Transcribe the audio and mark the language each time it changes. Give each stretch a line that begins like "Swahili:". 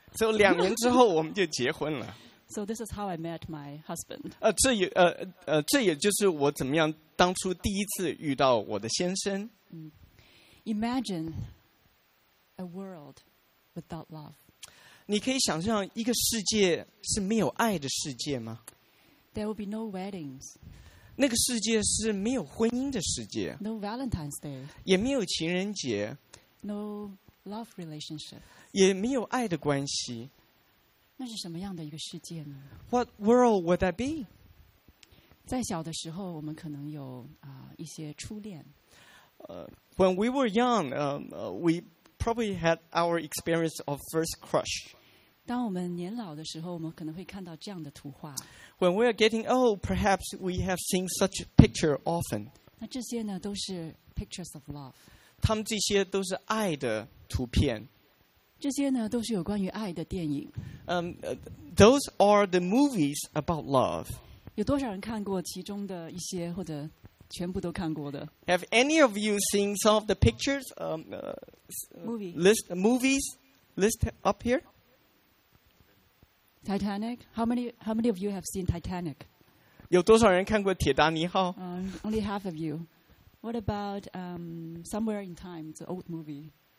Chinese: 所以两年之后我们就结婚了。
English: So this is how I met my husband.
Chinese: 这也就是我怎么样当初第一次遇到我的先生。
English: Imagine a world without love.
Chinese: 你可以想象一个世界是没有爱的世界吗
English: ？There will be no weddings.
Chinese: 那个世界是没有婚姻的世界。
English: No Valentine's Day.
Chinese: 也没有情人节。
English: No love relationship.
Chinese: 也没有爱的关系。那是什么样的一个世界呢
English: ？What world would that be？
Chinese: 在小的时候，我们可能有一些初恋。
English: When we were young, we probably had our experience of first crush.
Chinese: 当我们年老的时候，我们可能会看到这样的图画。
English: When we are getting old, perhaps we have seen such a picture often.
Chinese: 那这些呢，都是
English: pictures of love.
Chinese: 他们这些都是爱的图片。这些呢都是有关于爱的电影。
English: Those are the movies about love.
Chinese: 有多少人看过其中的一些或者全部都看过的
English: ？Have any of you seen some of the pictures? Movie list movies list up here. Titanic. How many of you have seen Titanic?
Chinese: 有多少人看过《铁达尼号》
English: ？Only half of you. What about Somewhere in Time, the old movie?